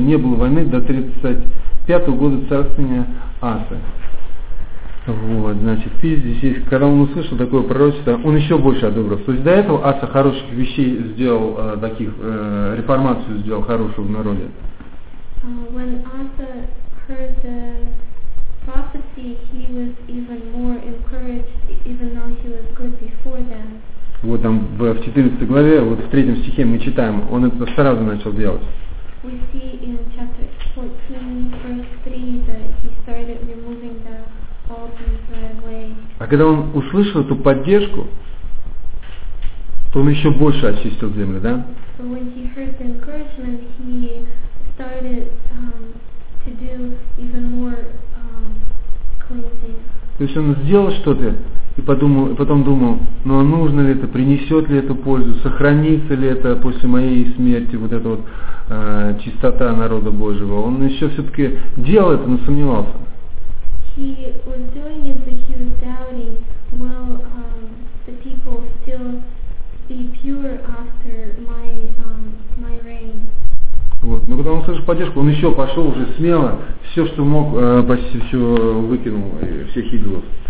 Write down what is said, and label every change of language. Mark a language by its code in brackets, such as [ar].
[ru] Не было войны до 35-го года царствования Асы. Вот, значит, здесь есть, когда он услышал такое пророчество, он еще больше одобрился. То есть до этого Аса хороших вещей сделал, таких реформацию сделал хорошую в народе. [en] When Asa heard the prophecy, he was even more encouraged, even though he was good before then. [ru] Вот там в 14 главе, вот в 3 стихе мы читаем, он это сразу начал делать. [en] We see in chapter 14, verse 3, that he started removing the altars right away. [ru] А когда он услышал эту поддержку, то он еще больше очистил землю, да? [en] So when he heard the encouragement, he started to do even more cleansing. [ru] То есть он сделал что-то и подумал, и потом думал, ну а нужно ли это, принесет ли это пользу, сохранится ли это после моей смерти, вот эта вот чистота народа Божьего. Он еще все-таки делал это, но сомневался. [en] He was doing it, but he was doubting, will the people still be pure after my my reign? [ru] Вот. Но когда он услышал поддержку, он еще пошел уже смело, все, что мог, почти все выкинул, всех идолов.